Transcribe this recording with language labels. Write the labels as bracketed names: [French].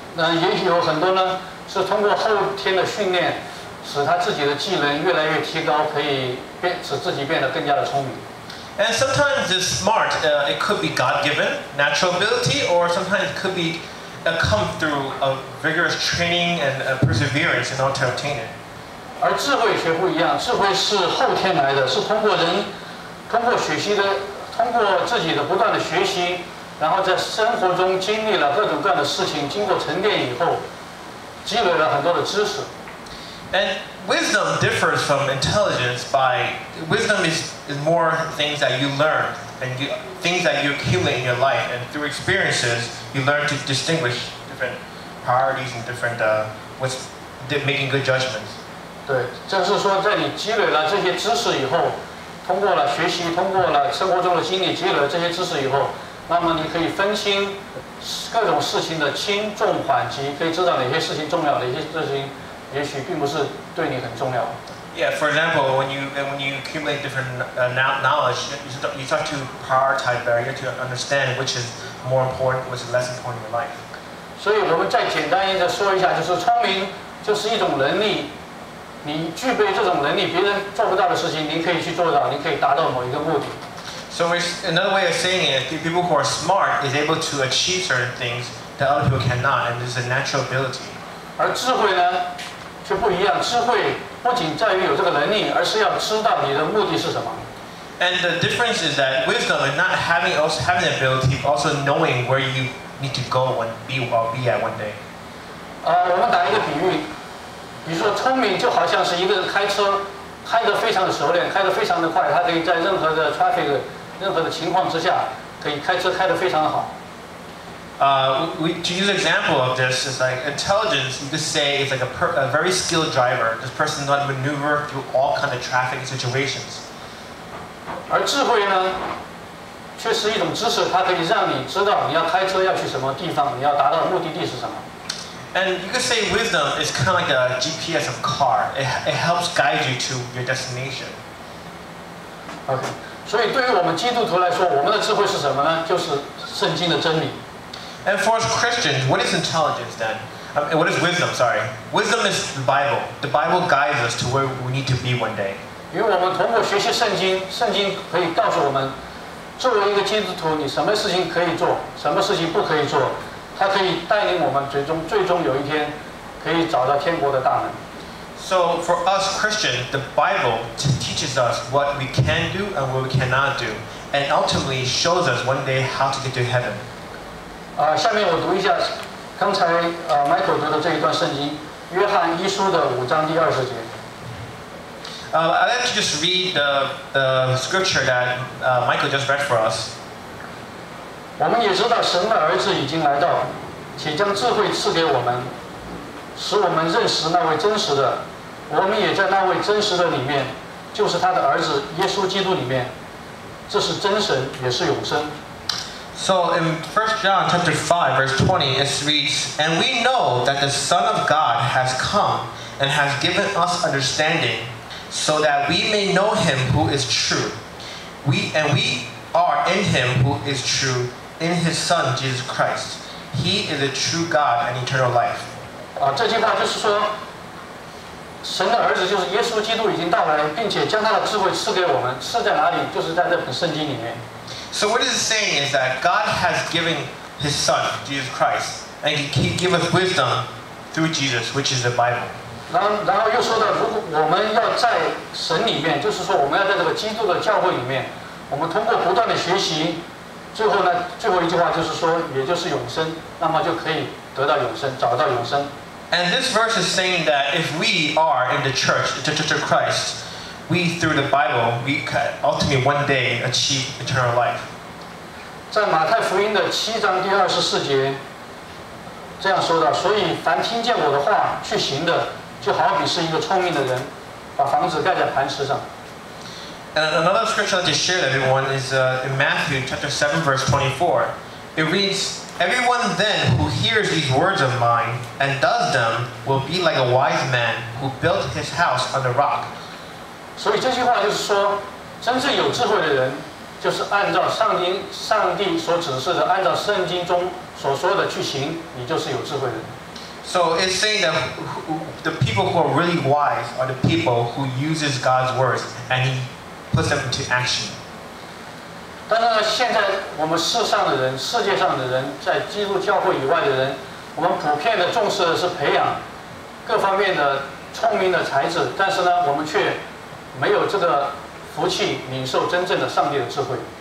[Chinese] 那也有很多呢，是通过后天的训练，使他自己的技能越来越提高，可以使自己变得更加的聪明。 [English] And sometimes this smart, it could be God-given natural ability, or sometimes it could be come through a vigorous training and perseverance in order to obtain it. [Chinese] 而智慧却不一样，智慧是后天来的，是通过人通过自己的不断的学习。然后在生活中经历了各种各样的事情，经过沉淀以后，积累了很多的知识。 [English] And wisdom differs from intelligence by wisdom is more things that you learn and things that you accumulate in your life and through experiences you learn to distinguish different priorities and different what's making good judgments. [Chinese] 对，就是说在你积累了这些知识以后，通过了学习，通过了生活中的经历，积累了这些知识以后。那么你可以分清各种事情的轻重缓急，可以知道哪些事情重要，哪些事情也许并不是对你很重要。 [English] Yeah, for example, when you accumulate different knowledge, you start to prioritize better. You have to understand which is more important, which is less important in your life. [Chinese] 所以我们再简单一点说一下，就是聪明就是一种能力。你具备这种能力，别人做不到的事情，你可以去做到，你可以达到某一个目的。 [English] So another way of saying it, people who are smart is able to achieve certain things that other people cannot, and this is a natural ability. [Chinese] 而智慧呢，却不一样。智慧不仅在于有这个能力，而是要知道你的目的是什么。 [English] And the difference is that wisdom is not having the ability, but also knowing where you need to go and be at one day. [Chinese] 我们打一个比喻，比如说聪明就好像是一个人开车。开得非常的熟练，开得非常的快，他可以在任何的 traffic 任何的情况之下，可以开车开得非常的好。 [English] To use an example of this, it's like intelligence, you could say it's like a very skilled driver. This person can maneuver through all kinds of traffic situations. [Chinese] 而智慧呢，确实一种知识，它可以让你知道你要开车要去什么地方，你要达到的目的地是什么。 [English] And you could say wisdom is kind of like a GPS of car. It helps guide you to your destination. Okay. [Chinese] 所以对于我们基督徒来说，我们的智慧是什么呢？就是圣经的真理。 [English] And for us Christians, what is intelligence then? What is wisdom? Sorry. Wisdom is the Bible. The Bible guides us to where we need to be one day. [Chinese] 因为我们通过学习圣经，圣经可以告诉我们，作为一个基督徒，你什么事情可以做，什么事情不可以做。它可以带领我们最终有一天可以找到天国的大门。 [English] So for us Christians, the Bible teaches us what we can do and what we cannot do, and ultimately shows us one day how to get to heaven. [Chinese] 下面我读一下刚才Michael 读的这一段圣经，约翰一书的五章第二十节。 [English] I'd like to just read the scripture that Michael just read for us. [Chinese] 我们也知道神的儿子已经来到，且将智慧赐给我们，使我们认识那位真实的。我们也在那位真实的里面，就是他的儿子耶稣基督里面。这是真神，也是永生。 [English] So in 1 John chapter 5 verse 20 it reads, And we know that the Son of God has come and has given us understanding, so that we may know him who is true. We are in him who is true, in his son Jesus Christ. He is a true God and eternal life. [Chinese] 这句话就是说神的儿子就是耶稣基督已经到来，并且将他的智慧赐给我们，赐在哪里？就是在这本圣经里面。 [English] So what it is saying is that God has given his son Jesus Christ, and he gave us wisdom through Jesus, which is the Bible. [Chinese] 然后又说到，如果我们要在神里面，就是说我们要在这个基督的教会里面，我们通过不断的学习，最后呢，最后一句话就是说，也就是永生，那么就可以得到永生，找到永生。 [English] And this verse is saying that if we are in the church, the church of Christ, we through the Bible, we can ultimately one day achieve eternal life. [Chinese] 在马太福音的七章第二十四节，这样说的：所以凡听见我的话去行的，就好比是一个聪明的人，把房子盖在磐石上。 [English] And another scripture I'd like to share with everyone is in Matthew chapter 7, verse 24. It reads, Everyone then who hears these words of mine and does them will be like a wise man who built his house on the rock. [Chinese] 所以这句话就是说，真正有智慧的人就是按照上帝所指示的，按照圣经中所说的去行，你就是有智慧的人。 [English] So it's saying that the people who are really wise are the people who uses God's words and he... puts them into action. [Chinese] 但是呢，现在我们世上的人，世界上的人，在基督教会以外的人，我们普遍的重视的是培养各方面的聪明的才子，但是呢，我们却没有这个福气领受真正的上帝的智慧。